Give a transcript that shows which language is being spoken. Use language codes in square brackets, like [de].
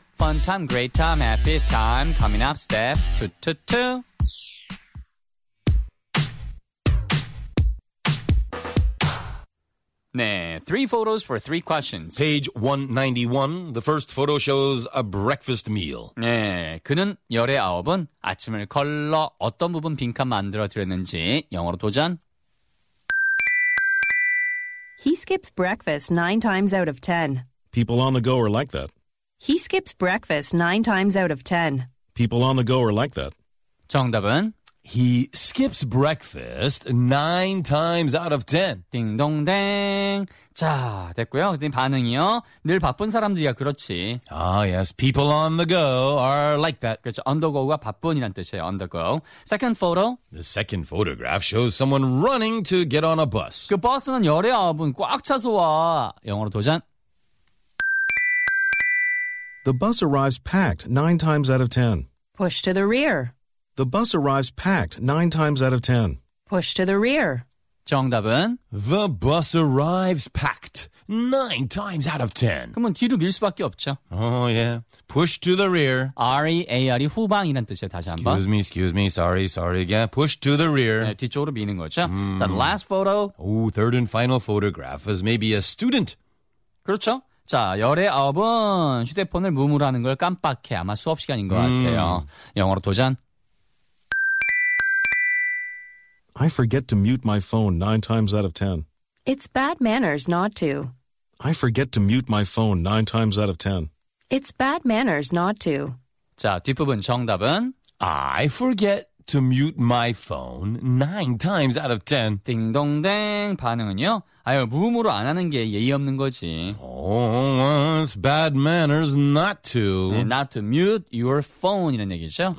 [en] Fun time, great time, happy time. Coming up, step 2, 2, 2. 네, three photos for three questions. Page 191, the first photo shows a breakfast meal. [ko] 네, 그는 열의 아홉은 아침을 걸러 어떤 부분 빈칸 만들어드렸는지 영어로 도전. [en] He skips breakfast 9 times out of 10. People on the go are like that. He skips breakfast 9 times out of 10. People on the go are like that. [ko] 정답은? [en] He skips breakfast 9 times out of 10. [ko] 띵동댕. 자, 됐고요. 그 반응이요. 늘 바쁜 사람들이야 그렇지. [en] Ah, yes. People on the go are like that. [ko] 그렇죠. [en] On the go [ko] 가 바쁜이란 뜻이에요. [en] On the go. Second photo. The second photograph shows someone running to get on a bus. [ko] 그 버스는 19분 꽉 차서 와. 영어로 도전. [en] The bus arrives packed 9 times out of 10. Push to the rear. The bus arrives packed 9 times out of 10. Push to the rear. [ko] 정답은? [en] The bus arrives packed 9 times out of 10. [ko] 그러면 뒤로 밀 수밖에 없죠. [en] Oh, yeah. Push to the rear. [ko] R-E-A-R-E 후방이란 뜻이에요. 다시 한번. [en] Excuse me. Sorry again. Push to the rear. [ko] 네, 뒤쪽으로 미는 거죠. [en] The last photo. Oh, third and final photograph is maybe a student. [ko] 그렇죠. 자, 19은 휴대폰을 무무라는 걸 깜빡해. 아마 수업 시간인 것 같아요. 영어로 도전. [en] I forget to mute my phone 9 times out of 10. It's bad manners not to. I forget to mute my phone 9 times out of 10. It's bad manners not to. [ko] 자, 뒷부분 정답은? [en] I forget to mute my phone 9 times out of 10. [ko] 띵동댕. 반응은요? 아유, 무음으로 안 하는 게 예의 없는 거지. [en] Oh, it's bad manners not to. [ko] 네, [en] not to mute your phone [ko] 이런 얘기죠.